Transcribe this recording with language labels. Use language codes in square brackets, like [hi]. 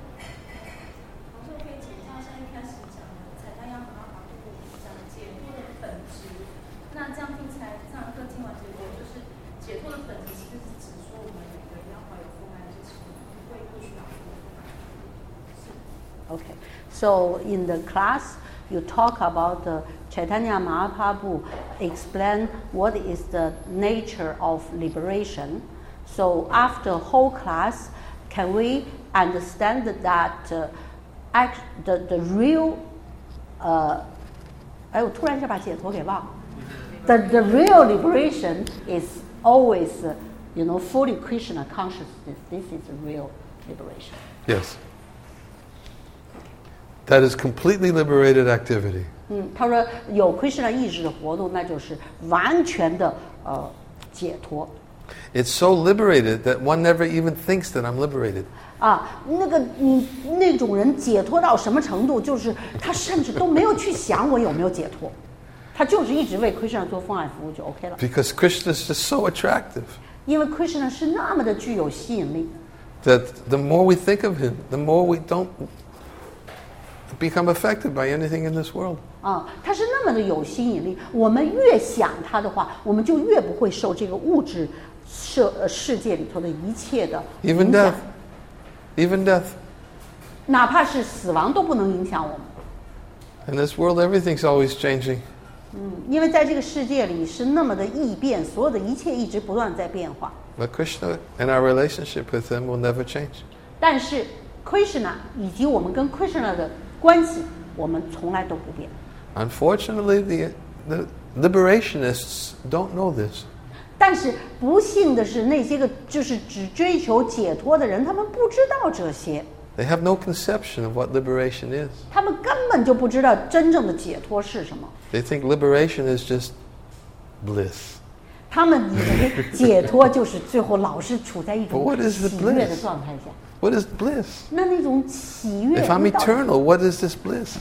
[zh] 我说可以请教一下，一开始讲的彩蛋要很好，就是讲解脱的本质。那这样听起来，这样课听完结果，就是解脱的本质其实是指说我们每个人要怀有丰满的心，会不需要丰满。是。Okay. [en] So in the class, you talk about the. Chaitanya Mahaprabhu explained what is the nature of liberation. So after whole class, can we understand that the real, [zh] 哎，我突然就把解脱给忘了。 [en] The real liberation is always, you know, fully Krishna consciousness. This is real liberation. Yes. That is completely liberated activity. [zh] 他说有 Krishna 意识的活动，那就是完全的解脱。 [en] It's so liberated that one never even thinks that I'm liberated. [zh] 啊，那个那种人解脱到什么程度？就是他甚至都没有去想我有没有解脱，他就是一直为 Krishna 做奉爱服务就 OK 了。 [en] Because Krishna is just so attractive. [zh] 因为 Krishna 是那么的具有吸引力。 [en] That the more we think of him, the more we don't. Become affected by anything in this world. [zh] Ah, 它是那么的有吸引力。我们越想它的话，我们就越不会受这个物质世界里头的一切的影响。 [en] Even death. Even death. [zh] 哪怕是死亡都不能影响我们。 [en] In this world, everything's always changing. [zh] 因为在这个世界里是那么的异变，所有的一切一直不断在变化。 [en] But Krishna and our relationship with Him will never change. [zh] 但是 Krishna 以及我们跟 Krishna 的关系，我们从来都不变。 [en] Unfortunately, the liberationists don't know this. [zh] 但是不幸的是，那些个就是只追求解脱的人，他们不知道这些。 [en] They have no conception of what liberation is. [zh] 他们根本就不知道真正的解脱是什么。 [en] They think liberation is just bliss. [zh] 他们以为解脱就是最后老是处在一种喜悦的状态下。 [en] What is bliss? [zh] 那那种喜悦。 [en] If I'm eternal, what is this bliss?